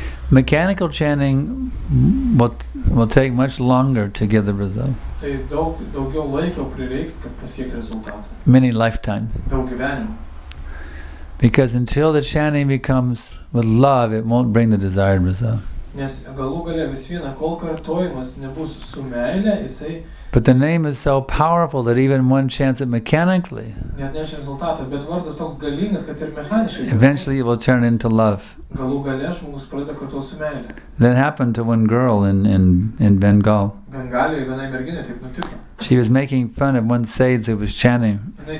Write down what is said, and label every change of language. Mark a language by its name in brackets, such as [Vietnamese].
[English] Mechanical chanting will take much longer to give the result. [Lithuanian] Tai daugiau laiko prireiks, kad pasiekti rezultatą. [English] Many lifetime. [Lithuanian] Daug gyvenimo. [English] Because until the chanting becomes with love, it won't bring the desired result. [Lithuanian] Nes galų gale vis viena, kol kartojimas nebus su meile, jisai... [English] But the name is so powerful that even one chants it mechanically, [Lithuanian] bet vardas toks galingas, kad ir mechaniškai, [English] eventually it will turn into love. [Lithuanian] Galų gale žmogus pradeda kartu su meile. [English] That happened to one girl in Bengal. [Lithuanian] Bengalijoje viena merginė taip nutiko. [English] She was making fun of one sage who was chanting.